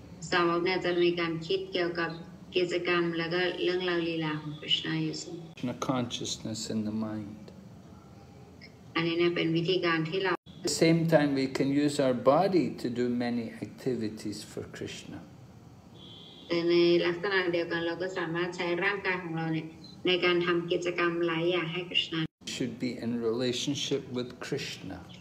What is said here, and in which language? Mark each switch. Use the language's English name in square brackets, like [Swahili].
[Thai] สาวกเนี่ยจะมีการคิดเกี่ยวกับกิจกรรมแล้วก็เรื่องราวลีลาของคริสนาอยู่เสมอ [English] Krishna consciousness in the mind [Thai] อันนี้เนี่ยเป็นวิธีการที่เรา [English] At the same time we can use our body to do many activities for Krishna [Thai] ในลักษณะเดียวกันเราก็สามารถใช้ร่างกายของเราเนี่ยในการทำกิจกรรมหลายอย่างให้คริสนา [English] should be in relationship with Krishna.